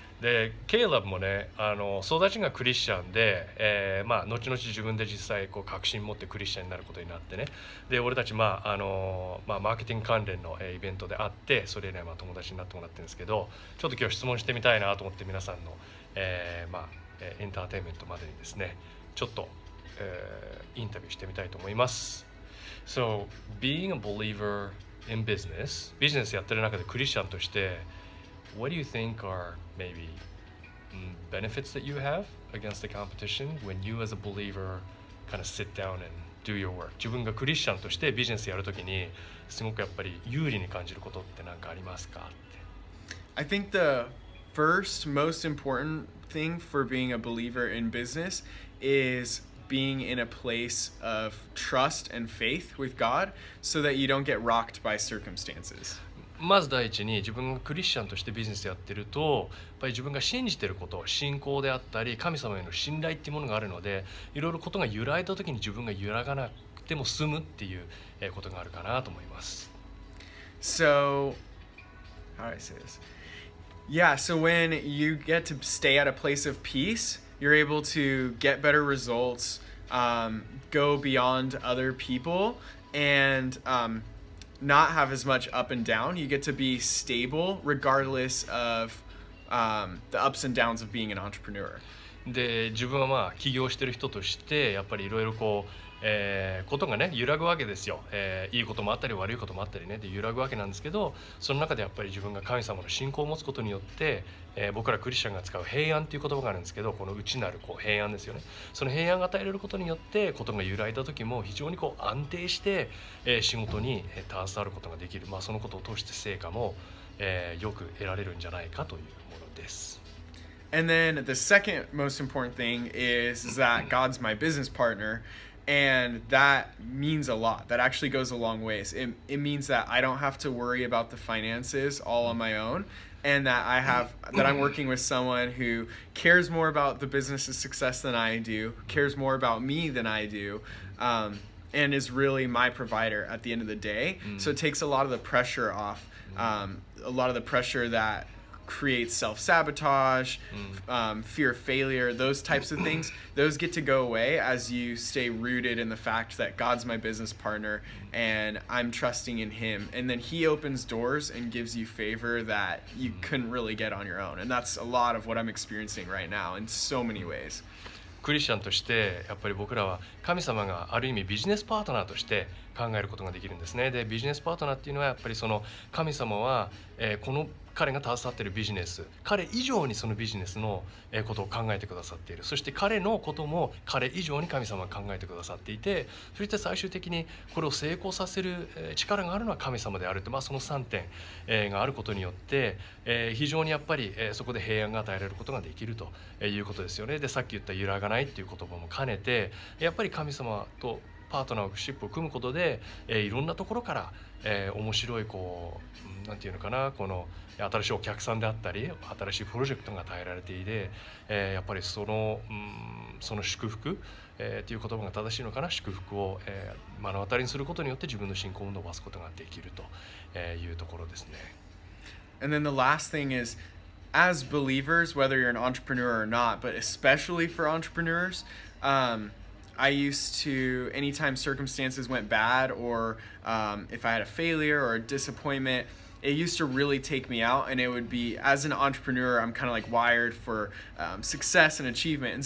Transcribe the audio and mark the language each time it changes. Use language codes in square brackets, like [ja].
[ja] で、Caleb もね、育ちがクリスチャンで、まあ後々自分で実際こう確信持ってクリスチャンになることになってね。で、俺たちまあマーケティング関連のイベントで会って、それ以来まあ友達になってもらってるんですけど、ちょっと今日質問してみたいなと思って、皆さんの、まあエンターテインメントまでにですね、ちょっと、インタビューしてみたいと思います。 [en] So, being a believer in business, [ja] ビジネスやってる中でクリスチャンとして、 [en] What do you think are maybe benefits that you have against the competition when you as a believer kind of sit down and do your work? [ja] 自分がクリスチャンとしてビジネスやるときにすごくやっぱり有利に感じることって何かありますかって。 [en] I think the first most important thing for being a believer in business is being in a place of trust and faith with God so that you don't get rocked by circumstances. [ja] まず第一に、自分がクリスチャンとしてビジネスやってると、やっぱり自分が信じてること、信仰であったり神様への信頼っていうものがあるので、いろいろことが揺らいだ時に自分が揺らがなくても済むっていうことがあるかなと思います。 [en] So how do I say this? Yeah, so when you get to stay at a place of peace, you're able to get better results, go beyond other people, andnot have as much up and down. You get to be stable regardless of the ups and downs of being an entrepreneur. [ja] で、自分はまあ起業してる人としてやっぱりいろいろこう、ことがね揺らぐわけですよ、いいこともあったり悪いこともあったりね、で揺らぐわけなんですけど、その中でやっぱり自分が神様の信仰を持つことによって、僕らクリスチャンが使う平安っていう言葉があるんですけど、この内なるこう平安ですよね。その平安が与えられることによって、ことが揺らいだ時も非常にこう安定して、仕事に携わることができる、まあ、そのことを通して成果も、よく得られるんじゃないかというものです。 [en] And then the second most important thing is that God's my business partner, and that means a lot. That actually goes a long ways. It means that I don't have to worry about the finances all on my own, and that I have that I'm working with someone who cares more about the business's success than I do, cares more about me than I do, and is really my provider at the end of the day. So it takes a lot of the pressure off, a lot of the pressure that. Create self-sabotage, fear of failure, those types of things, those get to go away as you stay rooted in the fact that God's my business partner and I'm trusting in Him. And then He opens doors and gives you favor that you couldn't really get on your own. And that's a lot of what I'm experiencing right now in so many ways. [ja] クリスチャンとしてやっぱり僕らは神様がある意味ビジネスパートナーとして考えることができるんですね。で、ビジネスパートナーっていうのはやっぱりその神様は、この彼が携わっているビジネス、彼以上にそのビジネスのことを考えてくださっている、そして彼のことも彼以上に神様が考えてくださっていて、そして最終的にこれを成功させる力があるのは神様であるって、まあ、その3点があることによって非常にやっぱりそこで平安が与えられることができるということですよね。で、さっき言った揺らがないっていう言葉も兼ねて、やっぱり神様とパートナーシップを組むことで、いろんなところから、面白いこうなんていうのかな、この新しいお客さんであったり新しいプロジェクトが与えられていて、やっぱりその、その祝福、っていう言葉が正しいのかな、祝福を、目の当たりにすることによって自分の信仰を伸ばすことができると、いうところですね。 [en] And then the last thing is, as believers, whether you're an entrepreneur or not, but especially for entrepreneurs, I used to, anytime circumstances went bad or if I had a failure or a disappointment,It used to really take me out, and it would be, as an entrepreneur, I'm kind of like wired for success and achievement.